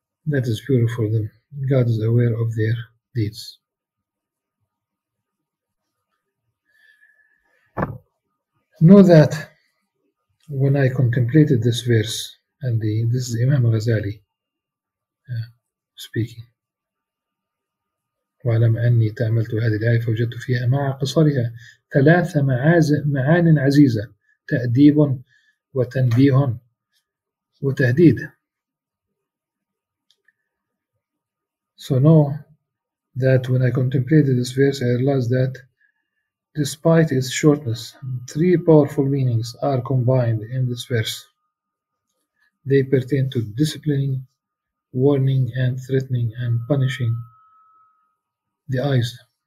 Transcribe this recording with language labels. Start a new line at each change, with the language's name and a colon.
English: God is aware of their deeds. Know that when I contemplated this verse, and this is Imam Ghazali speaking,
Arabic: وَعَلَمْ أَنِّي تَعْمَلْتُ هَذِي الْآيَةِ فَوْجَدْتُ فِيهَا مَعَ قِصَرِهَا ثَلَاثَ مَعَانٍ عَزِيزَةً تَأْدِيبٌ وَتَنْبِيهٌ وَتَهْدِيدٌ.
English: So know that when I contemplated this verse, I realized that despite its shortness, three powerful meanings are combined in this verse. They pertain to disciplining, warning and threatening and punishing the eyes.